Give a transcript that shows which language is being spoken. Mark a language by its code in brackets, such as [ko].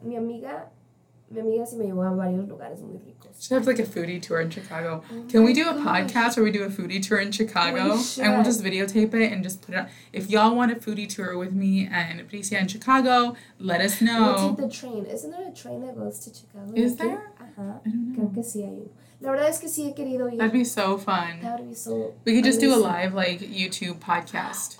[es] Mi amiga sí me llevó a varios lugares muy ricos. [en] She has like a foodie tour in Chicago. Can we do a podcast where we do a foodie tour in Chicago? We and we'll just videotape it and just put it on. If y'all want a foodie tour with me and Patricia in Chicago, let us know. We'll take the train. Isn't there a train that goes to Chicago? Is there? Uh-huh. I don't know. [es] Creo que sí hay. La verdad es que sí he querido ir. [en] That'd be so fun. That would be so fun. We could just do a live like YouTube podcast.